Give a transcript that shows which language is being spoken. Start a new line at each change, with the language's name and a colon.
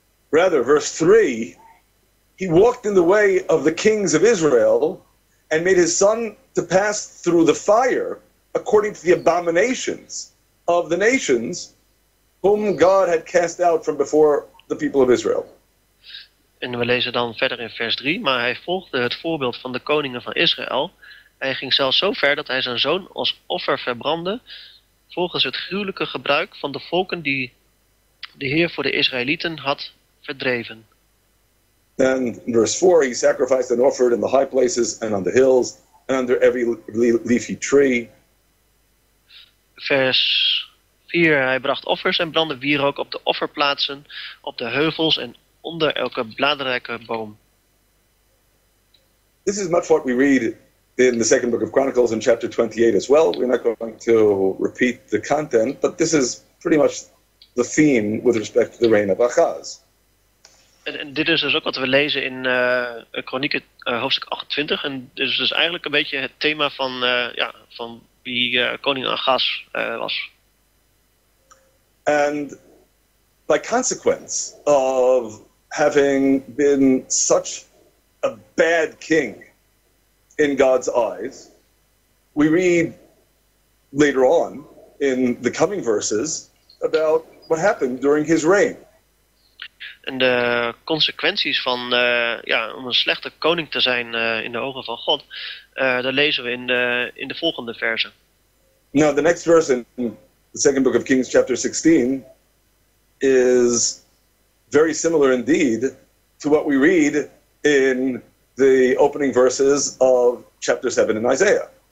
English: Rather, verse 3, he walked in the way of the kings of Israel and made his son to pass through the fire according to the abominations of the nations whom God had cast out from before the people of Israel.
Dutch: En we lezen dan verder in vers 3, maar hij volgde het voorbeeld van de koningen van Israël. Hij ging zelfs zo ver dat hij zijn zoon als offer verbrandde volgens het gruwelijke gebruik van de volken die de Heer voor de Israëlieten had verdreven.
English: Then in verse 4, he sacrificed and offered in the high places and on the hills and under every leafy tree.
Dutch: Vers 4, hij bracht offers en brandde wierook op de offerplaatsen, op de heuvels en onder elke bladrijke boom.
English: This is much what we read in the second book of Chronicles in chapter 28 as well. We're not going to repeat the content, but this is pretty much the theme with respect to the reign of Ahaz.
Dutch: En dit is dus ook wat we lezen in Kronieken hoofdstuk 28. En dit is dus eigenlijk een beetje het thema van wie koning Ahaz was.
English: And by consequence of having been such a bad king in God's eyes, we read later on in the coming verses about what happened during his reign.
Dutch: En de consequenties van om een slechte koning te zijn in de ogen van God, daar lezen we in de volgende verzen.
English: Now the next verse in the second book of Kings chapter 16 is very similar indeed to what we read in the opening verses of chapter 7 in Isaiah.